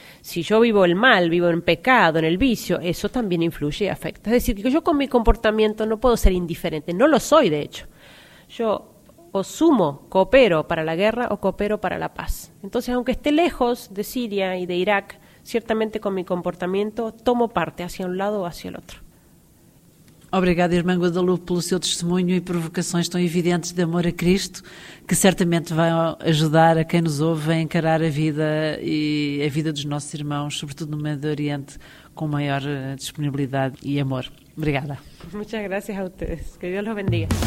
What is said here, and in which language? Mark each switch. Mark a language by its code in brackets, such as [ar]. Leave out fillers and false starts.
[es] Si yo vivo el mal, vivo en pecado, en el vicio, eso también influye y afecta. Es decir, que yo con mi comportamiento no puedo ser indiferente, no lo soy de hecho. Yo o sumo, coopero para la guerra o coopero para la paz. Entonces, aunque esté lejos de Siria y de Irak, ciertamente con mi comportamiento tomo parte hacia un lado o hacia el otro. [pt] Obrigada, irmã Guadalupe, pelo seu testemunho e provocações tão evidentes de amor a Cristo, que certamente vão ajudar a quem nos ouve a encarar a vida e a vida dos nossos irmãos, sobretudo no Médio Oriente, com maior disponibilidade e amor. Obrigada. [es] Muchas gracias a ustedes. Que Dios los bendiga.